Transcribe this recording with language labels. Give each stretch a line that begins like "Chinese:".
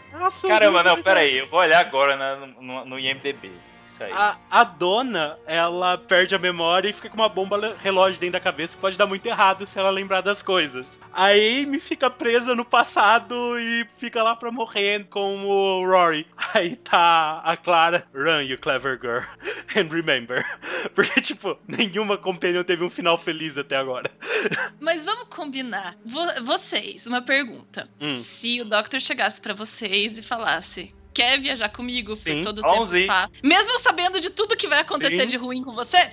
Portuguese: Nossa, caramba, não, peraí. Eu vou olhar agora no IMDb. Isso aí. A dona, ela perde a memória e fica com uma bomba relógio dentro da cabeça que pode dar muito errado se ela lembrar das coisas. A Amy fica presa no passado e fica lá pra morrer com o Rory. Aí tá a Clara,
English: run, you clever girl, and remember.
Portuguese: Porque, tipo, nenhuma companion teve um final feliz até agora. Mas vamos combinar. Vocês, uma pergunta. Se o Doctor chegasse pra vocês e falasse... Quer viajar comigo sim. Por todo o tempo e espaço? Mesmo sabendo de tudo que vai acontecer sim. De ruim com você?